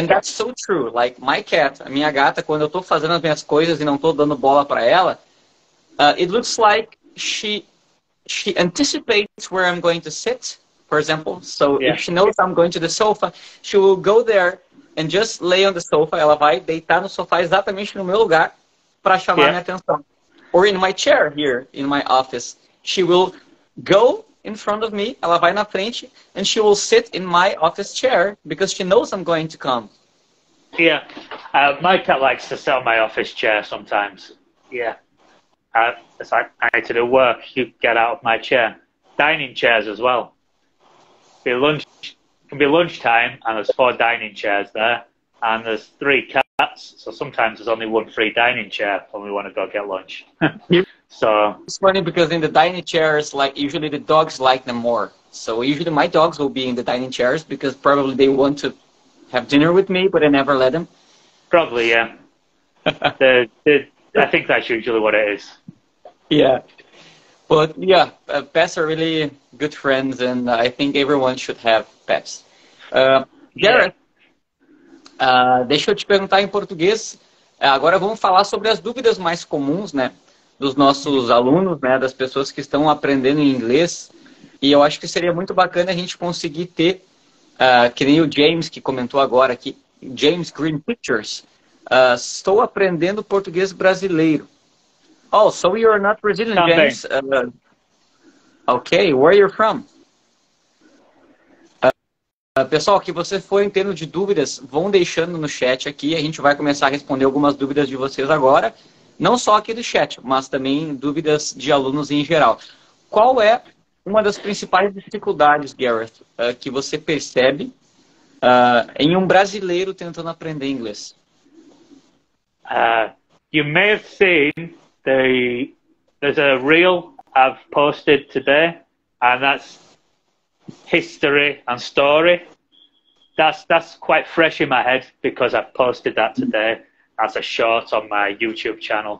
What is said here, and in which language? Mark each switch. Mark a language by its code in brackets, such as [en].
[en] And that's so true. Like, my cat, [pt] a minha gata, quando eu estou fazendo as minhas coisas e não estou dando bola para ela, [en] it looks like she anticipates where I'm going to sit, for example. So if she knows I'm going to the sofa, she will go there and just lay on the sofa. [pt] Ela vai deitar no sofá exatamente no meu lugar para chamar minha atenção. [en] Or in my chair here, in my office, she will go in front of me, [pt] ela vai na frente, [en] and she will sit in my office chair because she knows I'm going to come. Yeah, my cat likes to sit on my office chair sometimes. Yeah, it's like, I need to do work, you get out of my chair. Dining chairs as well. It can be lunchtime, and there's four dining chairs there, and there's three cats, so sometimes there's only one free dining chair when we want to go get lunch. So it's funny because in the dining chairs, like, usually the dogs like them more. So usually my dogs will be in the dining chairs because probably they want to have dinner with me, but I never let them. Probably, yeah. I think that's usually what it is. Yeah. But yeah, pets are really good friends, and I think everyone should have pets. [pt] Garrett, deixa eu te perguntar em português. Agora vamos falar sobre as dúvidas mais comuns, né? Dos nossos alunos, né, das pessoas que estão aprendendo inglês. E eu acho que seria muito bacana a gente conseguir ter, que nem o James, que comentou agora aqui, James Green Pictures. Estou aprendendo português brasileiro. [en] Oh, so you are not Brazilian, [pt] Também. [en] James. Okay, where are you from? [pt] Pessoal, que vocês forem tendo de dúvidas, vão deixando no chat aqui. A gente vai começar a responder algumas dúvidas de vocês agora. Não só aqui do chat, mas também dúvidas de alunos em geral. Qual é uma das principais dificuldades, Gareth, que você percebe em um brasileiro tentando aprender inglês? [en] You may have seen there's a reel I've posted today, and that's history and story. That's quite fresh in my head because I posted that today as a short on my YouTube channel.